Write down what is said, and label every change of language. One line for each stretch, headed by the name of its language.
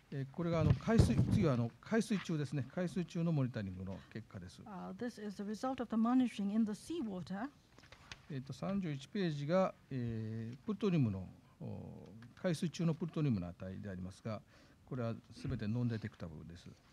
Japanese: これが海水、次は海水中ですね、海水中のモニタリングの結果です。
English: This is the result of the monitoring in the seawater.
Japanese: 31ページが、プルトニウムの、海水中のプルトニウムの値でありますが、これはすべてノンデテクタブルです。